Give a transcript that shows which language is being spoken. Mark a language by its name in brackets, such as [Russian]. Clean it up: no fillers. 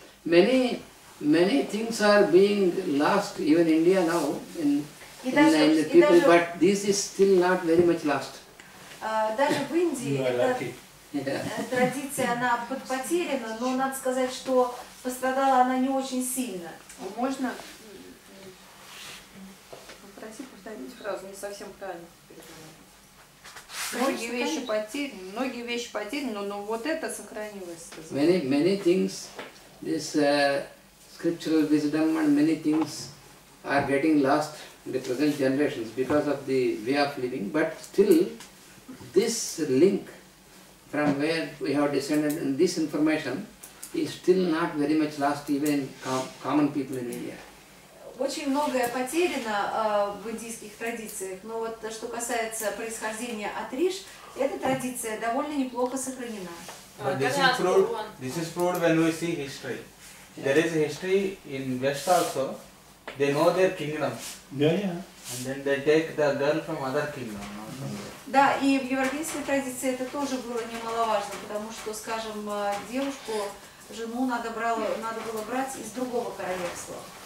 [English] Many things are being lost, even in India now, in the people, but this is still not very much lost. [Russian] Даже в Индии эта традиция, она потеряна, но надо сказать, что пострадала она не очень сильно. Можно попросить повторить фразу, не совсем правильно. Многие вещи потеряны, но вот это сохранилось. [English] Many things, this scriptural wisdom and many things are getting lost in the present generations because of the way of living, but still this link from where we have descended and this information is still not very much lost even in common people in India. [Russian] Очень многое потеряно в индийских традициях, но вот что касается происхождения от Риш, эта традиция довольно неплохо сохранена. [English] But this is proved when we see history. There is a history in West also. They know their kingdom. Yeah, yeah. And then they take the girl from other kingdom. [Russian] Да, и в европейской традиции это тоже было немаловажно, потому что, скажем, девушку, жену надо было брать из другого королевства.